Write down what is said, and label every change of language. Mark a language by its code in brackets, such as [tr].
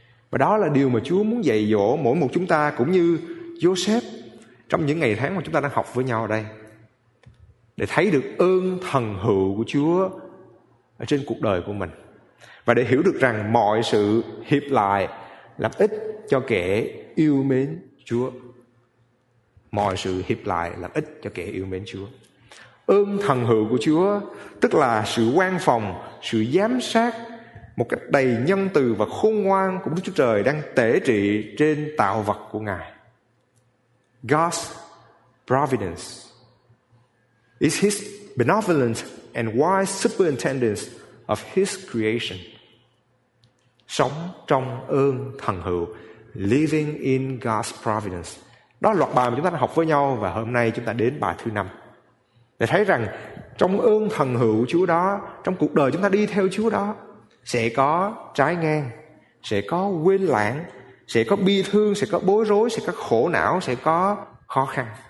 [vi] Và đó là điều mà Chúa muốn dạy dỗ mỗi một chúng ta, cũng như Joseph, trong những ngày tháng mà chúng ta đang học với nhau ở đây, để thấy được ơn thần hữu của Chúa ở trên cuộc đời của mình, và để hiểu được rằng mọi sự hiệp lại làm ích cho kẻ yêu mến Chúa. Mọi sự hiệp lại làm ích cho kẻ yêu mến Chúa. Ơn thần hữu của Chúa tức là sự quan phòng, sự giám sát một cách đầy nhân từ và khôn ngoan của Đức Chúa Trời đang tể trị trên tạo vật của Ngài. [en] God's providence is his benevolent and wise superintendence of his creation. [vi] Sống trong ơn thần hữu, [en] living in God's providence. [vi] Đó là loạt bài mà chúng ta đã học với nhau, và hôm nay chúng ta đến bài thứ 5 để thấy rằng trong ơn thần hữu Chúa đó, trong cuộc đời chúng ta đi theo Chúa đó, sẽ có trái ngang, sẽ có quên lãng, sẽ có bi thương, sẽ có bối rối, sẽ có khổ não, sẽ có khó khăn.